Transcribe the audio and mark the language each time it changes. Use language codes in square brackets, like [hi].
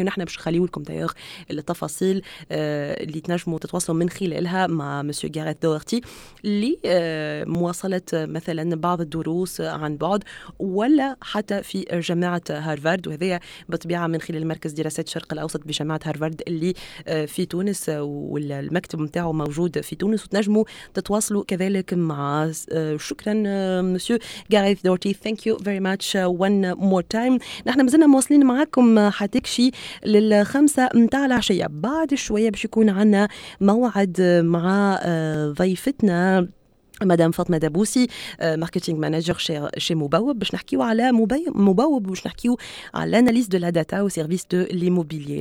[ar] ونحن باش نخليو لكم دايوغ التفاصيل اللي تنجموا تتواصلوا من خلالها مع مسيو غاريث دوغرتي لمواصلة مثلا بعض الدروس عن بعد ولا حتى في جامعة هارفارد, وهذه بطبيعة من خلال مركز دراسات الشرق الأوسط بجامعة هارفارد اللي في تونس والمكتب متاعه موجود في تونس, وتنجموا تتواصلوا كذلك مع شكرا مسيو غاريث دوغرتي. [en] Thank you very much one more time. [ar] نحن مازلنا مواصلين معكم حتكشي للخمسة متاع العشية. بعد شوية باش يكون عنا موعد مع ضيفتنا مدام فاطمة دابوسي [en] marketing manager [ar] شي مبوب, باش نحكيو على مبوب باش نحكيو على [fr] اناليز دو لا داتا و سيرفيس دو ليموبيليه.